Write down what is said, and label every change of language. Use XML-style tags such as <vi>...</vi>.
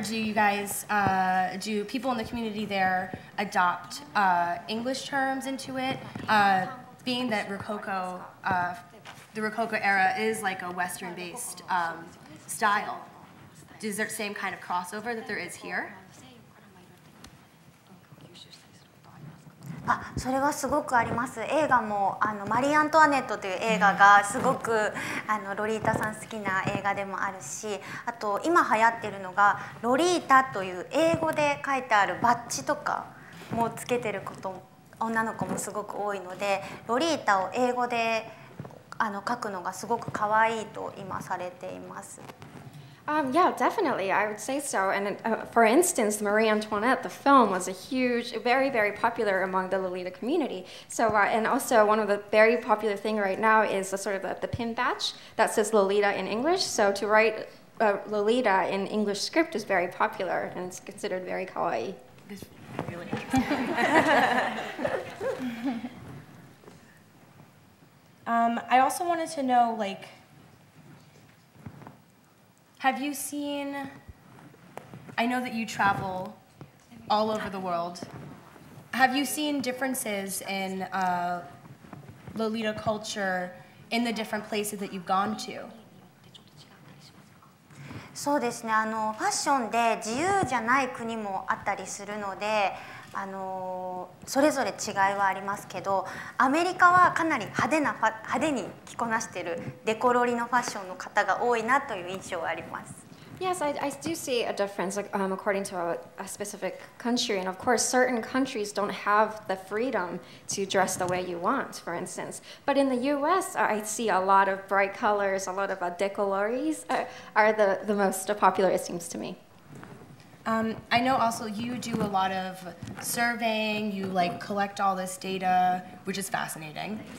<en>Do you guys, do people in the community there adopt English terms into it? Being that Rococo, the Rococo era is like a Western-based style, is there the same kind of crossover that there is here?</en> <ja>あ、それはすごくあります。映画もあのマリー・アントワネットという映画がすごくあのロリータさん好きな映画でもあるし、あと今流行ってるのがロリータという英語で書いてあるバッジとかもつけてること、女の子もすごく多いのでロリータを英語であの書くのがすごく可愛いと今されています。</ja> <en>Yeah, definitely. I would say so. And for instance, Marie Antoinette, the film, was a huge, very, very popular among the Lolita community. So, and also one of the very popular thing right now is the sort of the pin badge that says Lolita in English. So to write Lolita in English script is very popular and it's considered very kawaii. This really. I also wanted to know, like, have you seen, I know that you travel all over the world, have you seen differences in Lolita culture in the different places that you've gone to?</en> <ja>そうですね、あのファッションで自由じゃない国もあったりするのであのそれぞれ違いはありますけどアメリカはかなり派手な派手に着こなしているデコロリのファッションの方が多いなという印象があります。</ja> <en>Yes, I do see a difference according to a specific country. And of course, certain countries don't have the freedom to dress the way you want, for instance. But in the US, I see a lot of bright colors, a lot of décolleries are the most popular, it seems to me. I know also you do a lot of surveying, you like collect all this data, which is fascinating.</en>